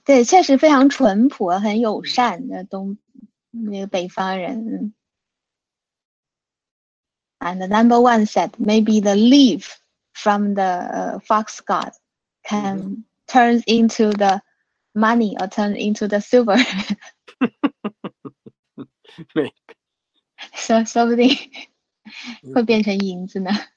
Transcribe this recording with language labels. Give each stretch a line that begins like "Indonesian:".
Chinese: 对，确实非常淳朴，很友善的北方人。
English: And the number one said, maybe the leaf from the fox god can turn into the money or turn into the silver. Maybe.
Chinese: So, 说不定会变成银子呢。